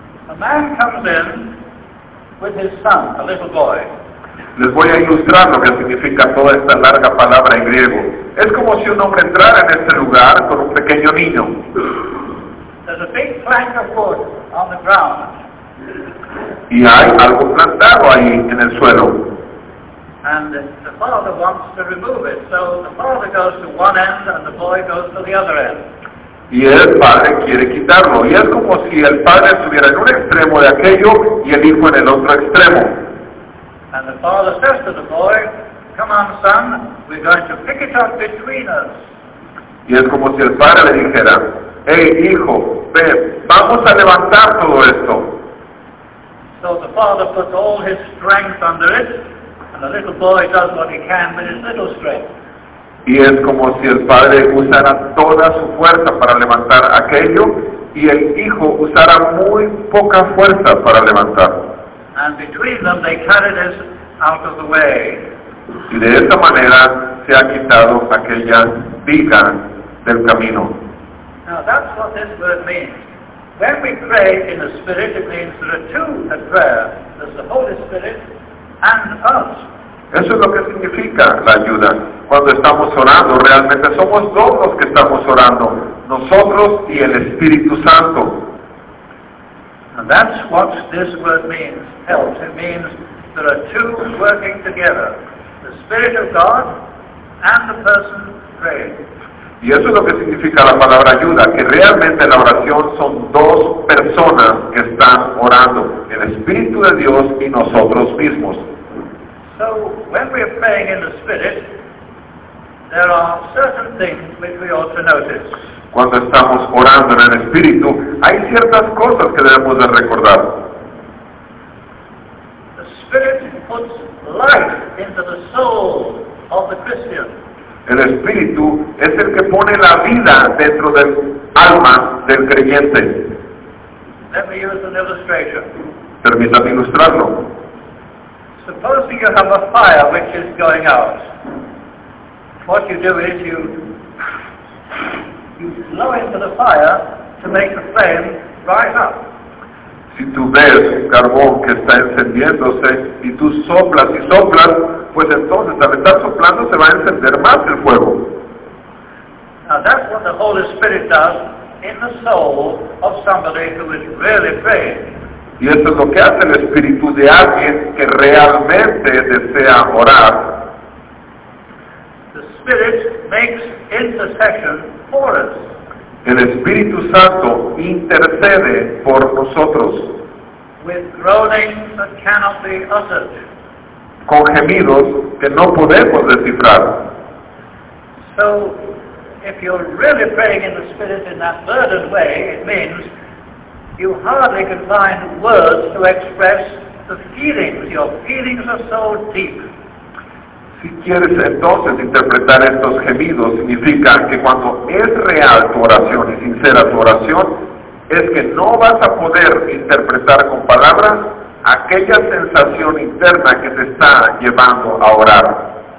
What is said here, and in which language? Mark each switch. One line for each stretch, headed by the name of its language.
English: A man comes in with his son, a little boy.
Spanish: Les voy a ilustrar lo que significa toda esta larga palabra en griego. Es como si un hombre entrara en este lugar con un pequeño niño.
English: There's a big plank of wood on the ground.
Spanish: Y hay algo plantado ahí en el suelo.
English: And the father wants to remove it, so the father goes to one end and the boy goes to the other end.
Spanish: Y el padre quiere quitarlo. Y es como si el padre estuviera en un extremo de aquello y el hijo en el otro extremo.
English: And the father says to the boy, come on son, we're going to pick it up between us.
Spanish: Y es como si el padre le dijera, hey hijo, ven, vamos a levantar todo esto.
English: So the father puts all his strength under it, and the little boy does what he can with his little strength.
Spanish: Y es como si el padre usara toda su fuerza para levantar aquello, y el hijo usara muy poca fuerza para levantar.
English: And between them they carried it out of the way.
Spanish: Y de esta manera se ha quitado aquella viga del camino.
English: Now that's what this word means. When we pray in the Spirit, it means there are two at prayer. There's the Holy Spirit and us.
Spanish: Eso es lo que significa la ayuda. Cuando estamos orando, realmente somos dos los que estamos orando. Nosotros y el Espíritu Santo.
English: And that's what this word means, helps. It means there are two working together. The Spirit of God and the person praying.
Spanish: Y eso es lo que significa la palabra ayuda, que realmente la oración son dos personas que están orando. El Espíritu de Dios y nosotros mismos.
English: So, when we are praying in the Spirit, there are certain things which we ought to notice.
Spanish: Cuando estamos orando en el Espíritu, hay ciertas cosas que debemos de recordar.
English: The Spirit puts life into the soul of the Christian.
Spanish: El Espíritu es el que pone la vida dentro del alma del creyente.
English: Let me use an illustration.
Spanish: Permítame ilustrarlo.
English: Supposing you have a fire which is going out. What you do is you blow into the fire to make the flame rise up.
Spanish: Si tú ves un carbón que está encendiéndose y tú soplas y soplas, pues entonces al estar soplando se va a encender más el fuego.
English: Now that's what the Holy Spirit does in the soul of somebody who is really praying.
Spanish: Y eso es lo que hace el Espíritu de alguien que realmente desea orar.
English: The Spirit makes intercession.
Spanish: El Espíritu Santo intercede por nosotros
English: with groanings that cannot be uttered.
Spanish: Con gemidos que no podemos descifrar.
English: So, if you're really praying in the Spirit in that burdened way, it means you hardly can find words to express the feelings. Your feelings are so deep.
Spanish: Si quieres entonces interpretar estos gemidos, significa que cuando es real tu oración y sincera tu oración, es que no vas a poder interpretar con palabras aquella sensación interna que te está llevando a orar.